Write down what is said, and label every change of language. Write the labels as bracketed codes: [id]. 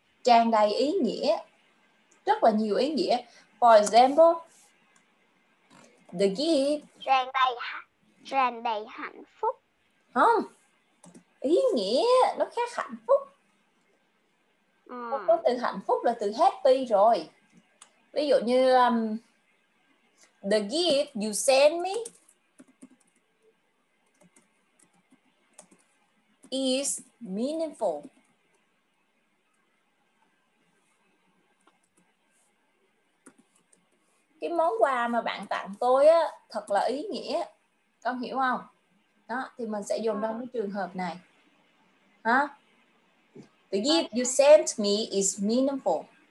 [vi] Tràn đầy ý nghĩa. Rất là nhiều ý nghĩa. [en] For example, the gift. [vi] Tràn đầy hạnh phúc. Không. Ý nghĩa nó khác hạnh phúc. Có từ hạnh phúc là từ happy rồi. Ví dụ như [en] the gift you send me is meaningful. [vi] Cái món quà mà bạn tặng tôi á, thật là ý nghĩa. Con hiểu không? Đó, thì mình sẽ dùng trong cái trường hợp này. [en] Hả? The gift you sent me is meaningful.